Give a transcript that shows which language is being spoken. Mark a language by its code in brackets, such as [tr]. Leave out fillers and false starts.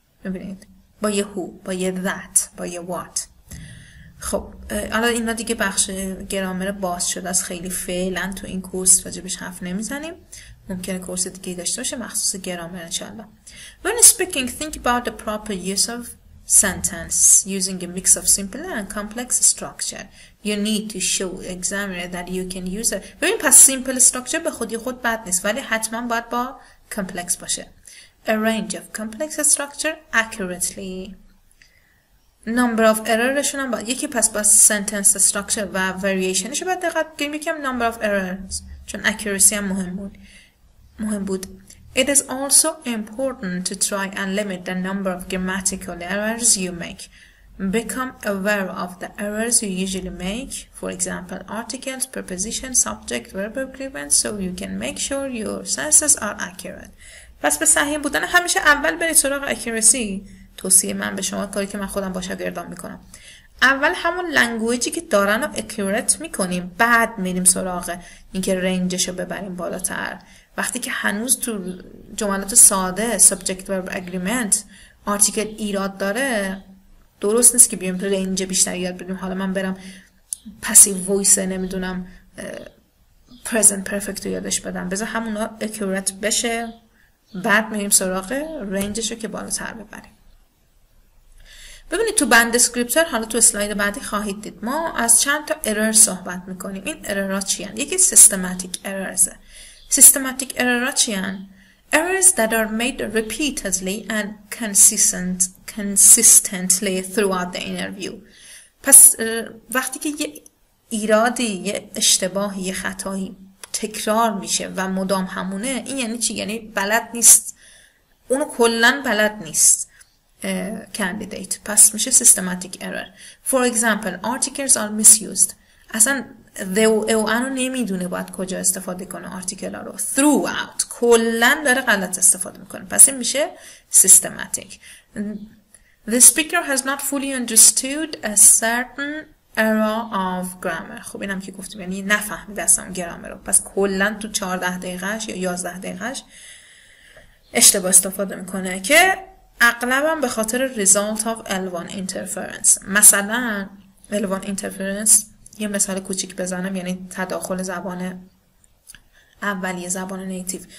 [fa] ببینید با یه who، با یه that، با یه what. خب حالا اینا دیگه بخش گرامر باز شده است، خیلی فعلا تو این کورس راجبش حرف نمیزنیم، ممکنه کورس دیگه داشته باشه مخصوص گرامر انشاءالله. [en] When speaking think about the proper use of sentence using a mix of simple and complex structure. You need to show examiner that you can use it. [fa] ببین پس سیمپل استرکچر به خودی خود بد نیست، ولی حتما باید با کمپلکس باشه. [en] A range of complex structure accurately. [fa] Number of errorشون هم باید، یکی پس با sentence structure و variationش باید دقت کنیم، یکی هم number of errors چون accuracy هم مهم بود. [en] It is also important to try and limit the number of grammatical errors you make. Become aware of the errors you usually make, for example, articles, preposition, subject, verb agreement, so you can make sure your sentences are accurate. [fa] پس به صحیح بودن همیشه اول برید سراغ اکیورسی. توصیه من به شما، کاری که من خودم با شاگردان میکنم، اول همون لنگویجی که دارن رو اکیورت میکنیم، بعد میریم سراغ اینکه رنجش رو ببریم بالاتر. وقتی که هنوز تو جملات ساده subject verb agreement article ایراد داره، درست نیست که بیایم رنج بیشتر یاد بدیم. حالا من برم passive voice نمیدونم present perfect رو یادش بدم، بذار همونا accurate بشه بعد میریم سراغ رنجش رو که بالاتر ببریم. ببینید تو بند descriptor، حالا تو اسلاید بعدی خواهید دید، ما از چند تا error صحبت میکنیم. این error ها چی هست؟ یکی systematic errors. [en] Systematic error [fa] ها چی هست؟ [en] Errors that are made repeatedly and consistently throughout the interview. [fa] پس وقتی که یه ایرادی، یه اشتباهی، یه خطایی تکرار میشه و مدام همونه، این یعنی چی؟ یعنی بلد نیست، اونو کلن بلد نیست candidate. پس میشه [en] systematic error. For example, articles are misused. [fa] اصلا اوان رو نمیدونه باید کجا استفاده کنه آرتیکل ها رو. [en] Throughout. [fa] کلن داره غلط استفاده میکنه. پس این میشه systematic. [en] The speaker has not fully understood a certain error of grammar. [fa] خب اینم که گفتیم. یعنی نفهمیده اصلا گرامر رو. پس کلن تو 14 دقیقهش یا 11 دقیقهش اشتباه استفاده میکنه که اغلبم به خاطر [en] result of L1 interference. [fa] مثلا L1 interference یه مثال کوچیک بزنم، یعنی تداخل زبان اولیه، زبان نیتیو.